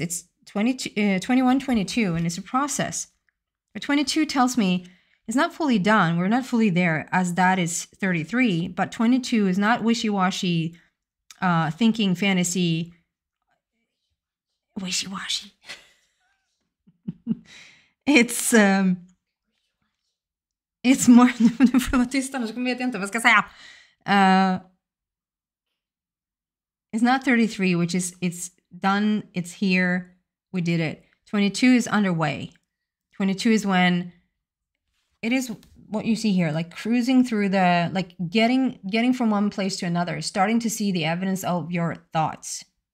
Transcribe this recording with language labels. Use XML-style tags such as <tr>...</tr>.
<en>It's 21, 22, and it's a process. But 22 tells me it's not fully done. We're not fully there as that is 33. But 22 is not wishy-washy thinking fantasy. Wishy-washy. It's more</en> <sv>nu får vara tyst annars kommer jag inte vet vad jag ska säga.</sv> <en>It's not 33, which is it's done, it's here, we did it. 22 is underway. 22 is when it is what you see here, like cruising through the, like getting from one place to another, starting to see the evidence of your thoughts.</en>